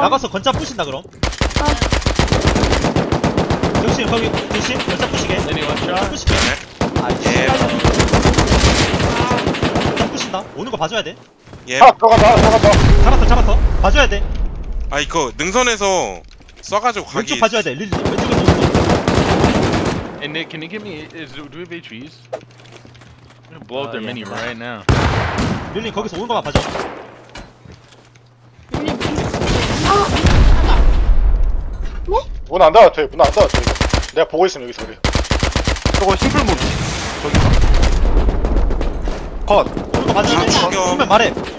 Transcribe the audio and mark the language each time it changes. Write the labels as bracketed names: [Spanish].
[Korean] 나가서 권차 부신다 그럼. 아. 조심 거기 조심 권차 부시게. 부시게. 네. 아 예. 권차 부신다. 오는 거 봐줘야 돼. 예. 아, 잡았어. 잡았어. 봐줘야 돼. 아, 이거 능선에서 쏴가지고 가기. 왼쪽 봐줘야 돼. 릴리. 왼쪽에 놓고. [English] And Nick, can you give me? Do we have HVs? I'm gonna blow up their mini right now. [Korean] 릴리 거기서 오는 거만 봐줘. 릴리. 아, 문 안 닫아도 돼. 문 안 닫아도 돼. 내가 보고 있으면 여기서 그래. 저거 싱글 모드. 저기. 컷. 좀 더 가자. 죽으면 말해.